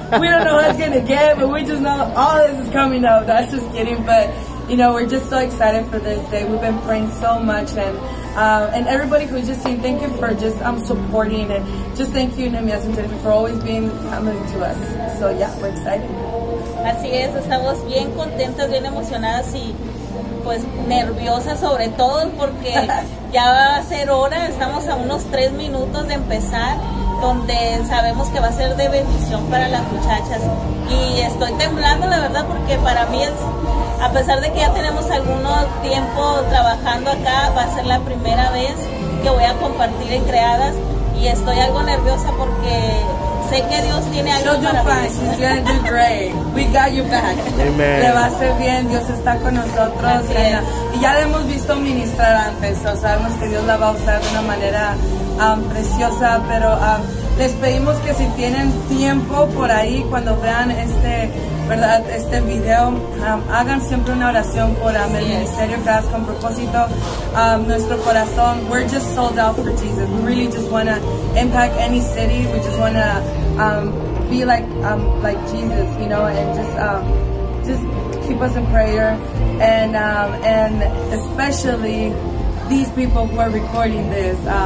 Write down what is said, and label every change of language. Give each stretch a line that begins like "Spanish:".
English: We don't know what it's going to get, but we just know all this is coming up. That's just kidding. But, you know, we're just so excited for this day. We've been praying so much and everybody who's just saying thank you for just supporting and just thank you, Nemias and Jennifer, for always being coming to us. So yeah, we're excited.
Spanish: Así es, estamos bien contentas, bien emocionadas y pues nerviosas sobre todo porque ya va a ser hora, estamos a unos 3 minutos de empezar, donde sabemos que va a ser de bendición para las muchachas. Y estoy temblando, la verdad, porque para mí es, a pesar de que ya tenemos algún tiempo trabajando acá, va a ser la primera vez que voy a compartir en Creadas. Y estoy algo nerviosa porque sé que Dios tiene algo
English: She'll
Spanish: para
English: mí. She's gonna do great. We got you back. Amen.
Spanish: Le va a hacer bien. Dios está con nosotros. Y ya le hemos visto ministrar antes. O sabemos que Dios la va a usar de una manera preciosa, pero les pedimos que si tienen tiempo por ahí, cuando vean este video, hagan siempre una oración por el ministerio que hagas con propósito. Nuestro corazón,
English: we're just sold out for Jesus. We really just want to impact any city. We just want to be like Jesus, you know, and just keep us in prayer. And especially these people who are recording this.